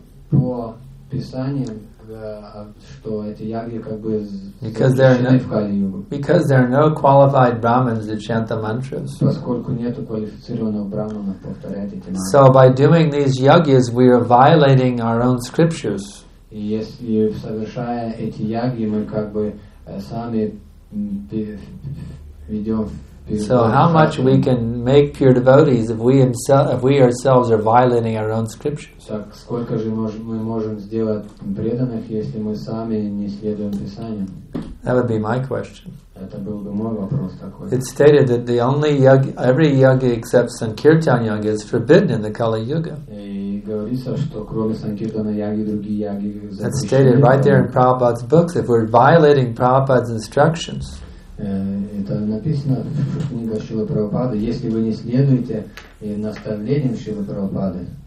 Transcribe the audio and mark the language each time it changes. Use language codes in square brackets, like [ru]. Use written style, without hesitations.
[ru] по писаниям, что эти яги как бы запрещены в Кали-югу. [en] Because there are no qualified brahmins that chant the mantras. [ru] Поскольку нету квалифицированного брахмана повторять эти мантры. [en] So by doing these yagyas, we are violating our own scriptures. [ru] Если совершая эти яги, мы как бы сами ведем. [en] So how much we can make pure devotees if we ourselves are violating our own scriptures? [ru] Так сколько же мы можем сделать преданных, если мы сами не следуем Писаниям? [en] That would be my question. [ru] Это был бы мой вопрос такой. [en] It's stated that the only every yogi except Sankirtan yoga is forbidden in the Kali Yuga. [ru] И говорится, что кроме Санкиртана яги другие яги запрещены. [en] That's stated right there in Prabhupada's books. If we're violating Prabhupada's instructions. [ru] Это написано в книге Шрилы Прабхупады. Если вы не следуете наставлениям Шрилы Прабхупады,